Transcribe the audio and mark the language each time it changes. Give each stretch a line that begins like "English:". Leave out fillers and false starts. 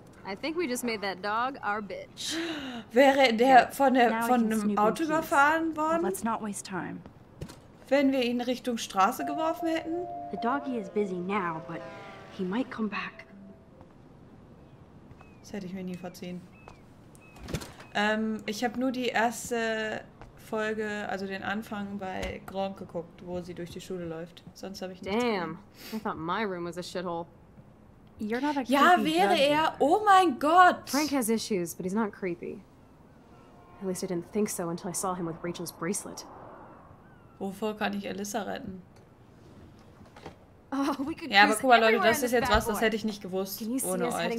English: I think we just made that dog our bitch.
German: Wäre der von einem Auto überfahren worden?
English: Let's not waste time.
German: Wenn wir ihn Richtung Straße geworfen hätten?
English: The doggy is busy now, but he might come back.
German: Das hätte ich mir nie verziehen. Ich habe nur die erste Folge, also den Anfang bei Gronk geguckt, wo sie durch die Schule läuft. Sonst habe ich nichts gesehen.
English: Damn, I thought my room was a shithole. You're not a creepy.
German: Ja, wäre er. Oh mein Gott.
English: Frank has issues, but he's not creepy. At least I didn't think so until I saw him with Rachel's bracelet.
German: Wovor kann ich Alyssa retten?
English: Oh, we could
German: ja, aber guck mal, Leute, das ist jetzt was, das hätte ich nicht gewusst ohne euch.